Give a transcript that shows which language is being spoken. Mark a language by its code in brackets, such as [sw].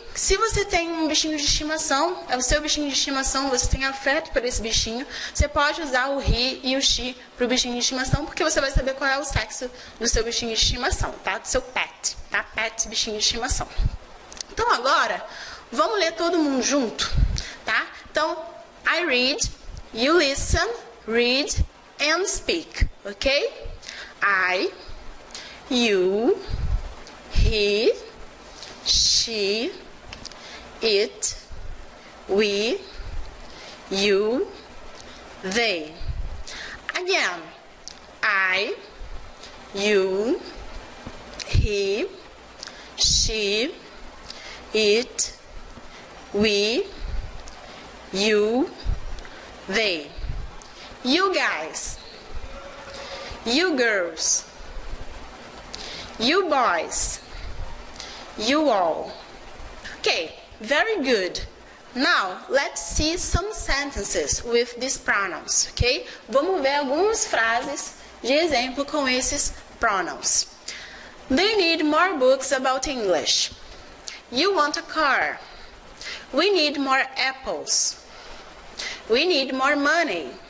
[pt] Se você tem um bichinho de estimação, é o seu bichinho de estimação, você tem afeto por esse bichinho, você pode usar o he e o she para o bichinho de estimação, porque você vai saber qual é o sexo do seu bichinho de estimação, tá? Do seu pet, tá? Pet, bichinho de estimação. Então, agora, vamos ler todo mundo junto, tá? [en] Então, I read, you listen, read and speak, ok? I, you, he, she, it, we, you, they. Again, I, you, he, she, it, we, you, they. You guys, you girls, you boys, you all. Okay, very good. Now, let's see some sentences with these pronouns, okay? [pt] Vamos ver algumas frases de exemplo com esses pronouns. They need more books about English. You want a car. We need more apples. We need more money.